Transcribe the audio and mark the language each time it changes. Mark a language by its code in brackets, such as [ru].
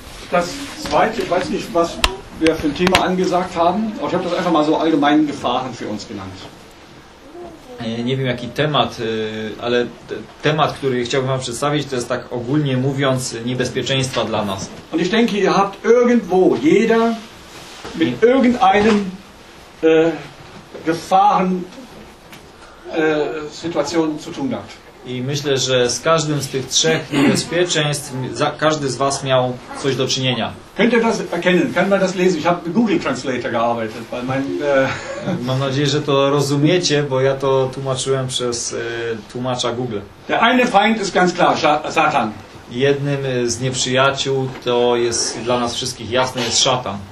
[de] Das Zweite, ich weiß nicht, was wir für ein Thema angesagt haben, aber ich habe das einfach mal so allgemein Gefahren für uns genannt. [pl] Nie wiem, jaki temat, ale temat, który chciałbym wam przedstawić, to jest tak ogólnie mówiąc niebezpieczeństwa dla nas. [de] Und ich denke, ihr habt irgendwo, jeder mit irgendeinem Gefahren Situation zu tun gehabt. [pl] I myślę, że z każdym z tych trzech niebezpieczeństw każdy z was miał coś do czynienia. [de] Könnt ihr das erkennen? Kann man das lesen? Ich habe mit Google Translator gearbeitet, weil mein [pl] Mam nadzieję, że to rozumiecie, bo ja to tłumaczyłem przez tłumacza Google. [de] Der eine Feind ist ganz klar, Satan. [pl] Jednym z nieprzyjaciół to jest dla nas wszystkich jasne, jest szatan.